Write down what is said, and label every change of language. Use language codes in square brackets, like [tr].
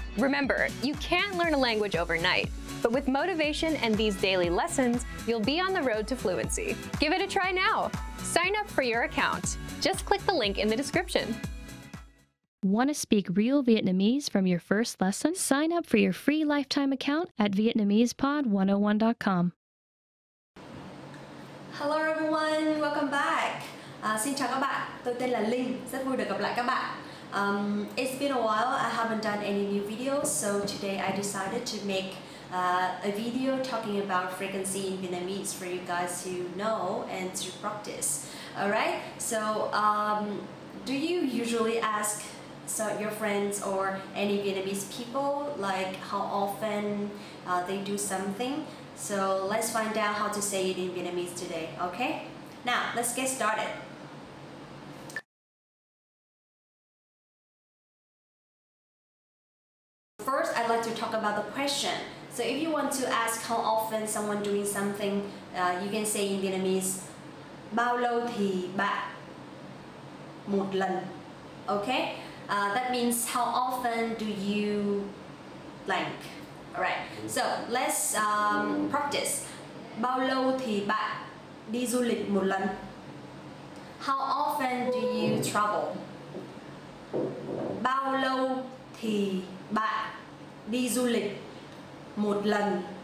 [en] Remember, you can't learn a language overnight, but with motivation and these daily lessons, you'll be on the road to fluency. Give it a try now. Sign up for your account. Just click the link in the description. Want to speak real Vietnamese from your first lesson? Sign up for your free lifetime account at VietnamesePod101.com. Hello everyone, welcome back. [vi] Xin chào các bạn, tôi tên là Linh, rất vui được gặp lại các bạn. [en] It's been a while, I haven't done any new videos, so today I decided to make a video talking about frequency in Vietnamese for you guys to know and to practice. Alright, so do you usually ask your friends or any Vietnamese people like how often they do something? So let's find out how to say it in Vietnamese today, okay? Now, let's get started. First, I'd like to talk about the question. So if you want to ask how often someone doing something, you can say in Vietnamese, [vi] bao lâu thì bạn một lần, [en] okay? That means how often do you blank, all right? So let's practice. [vi] Bao lâu thì bạn đi du lịch một lần? [en] How often do you travel? [vi] Bao lâu thì bạn đi du lịch một lần?